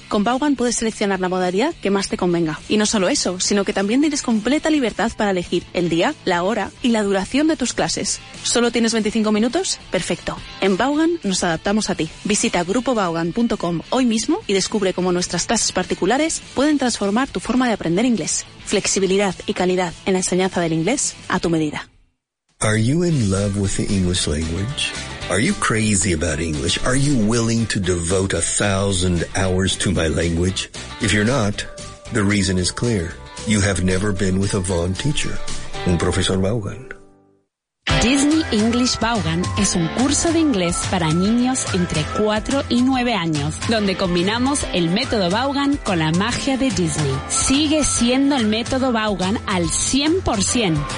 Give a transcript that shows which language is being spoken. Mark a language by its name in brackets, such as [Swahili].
[Spanish] Con Vaughan puedes seleccionar la modalidad que más te convenga. Y no solo eso, sino que también tienes completa libertad para elegir el día, la hora y la duración de tus clases. ¿Solo tienes 25 minutos? Perfecto. En Vaughan nos adaptamos a ti. Visita grupovaughan.com hoy mismo y descubre cómo nuestras clases particulares pueden transformar tu forma de aprender inglés. Flexibilidad y calidad en la enseñanza del inglés a tu medida. [English] Are you in love with the English language? Are you crazy about English? Are you willing to devote 1,000 hours to my language? If you're not, the reason is clear. You have never been with a Vaughan teacher, [Spanish] un profesor Vaughan. Disney English Vaughan es un curso de inglés para niños entre 4 y 9 años, donde combinamos el método Vaughan con la magia de Disney. Sigue siendo el método Vaughan al 100%.